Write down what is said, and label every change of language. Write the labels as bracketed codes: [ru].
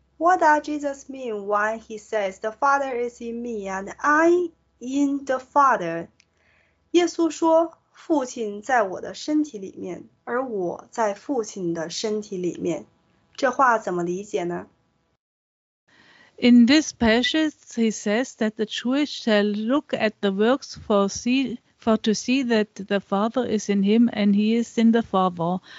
[en] What does Jesus mean when he says the Father is in me and I in the Father? [zh] 耶稣说，父亲在我的身体里面，而我在父亲的身体里面。这话怎么理解呢？ [en] In this passage, he says that the Jewish shall look at the works to see that the Father is in him and he is in the Father.